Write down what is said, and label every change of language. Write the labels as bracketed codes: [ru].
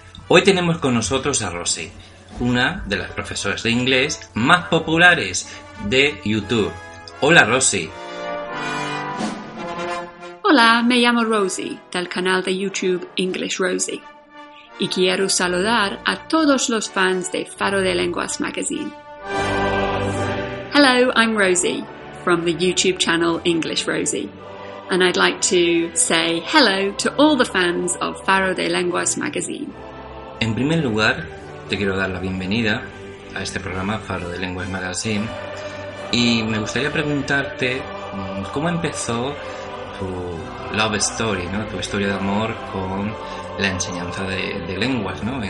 [es] Hoy tenemos con nosotros a Rosy, una de las profesoras de inglés más populares de YouTube. Hola, Rosy. Hola, me llamo Rosy, del canal de YouTube English Rosy. Y quiero saludar a todos los fans de Faro de Lenguas Magazine. [en] Hello, I'm Rosy from the YouTube channel English Rosy. And I'd like to say hello to all the fans of Faro de Lenguas Magazine. [es] En primer lugar, te quiero dar la bienvenida a este programa Faro de Lenguas Magazine. Y me gustaría preguntarte cómo empezó tu [en] love story, [es] ¿no? Tu historia de amor con la enseñanza de lenguas, ¿no?